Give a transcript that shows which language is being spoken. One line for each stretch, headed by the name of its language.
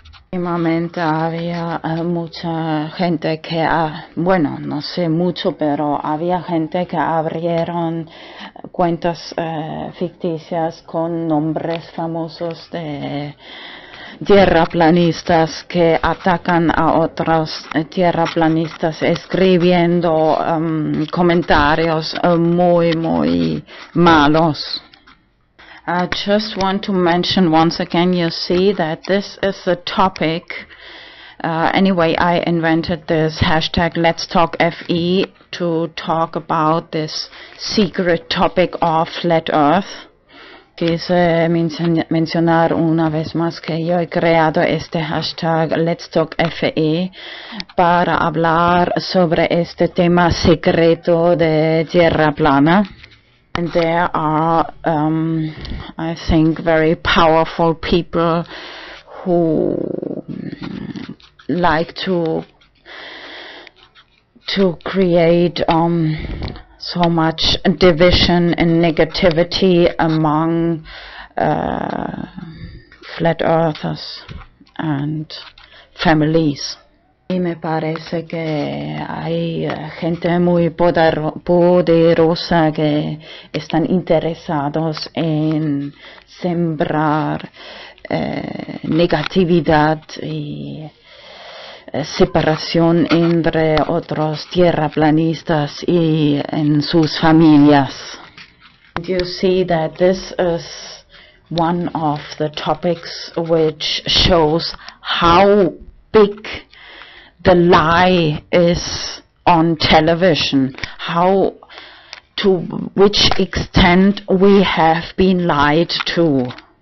Spanish: Últimamente había mucha gente que, bueno, no sé mucho, pero había gente que abrieron cuentas ficticias con nombres famosos de tierraplanistas que atacan a otros tierraplanistas escribiendo comentarios muy, muy malos.
English: I just want to mention once again, you see that this is a topic. Anyway, I invented this hashtag #LetsTalkFE to talk about this secret topic of Flat Earth.
Spanish: Quise mencionar una vez más que yo he creado este hashtag LetsTalkFE para hablar sobre este tema secreto de tierra plana.
English: And there are, I think, very powerful people who like to create so much division and negativity among flat earthers and families.
Spanish: Y me parece que hay gente muy poderosa que están interesados en sembrar negatividad y separación entre otros tierraplanistas y en sus familias.
English: You see that this is one of the topics which shows how big the lie is on television, how to which extent we have been lied to.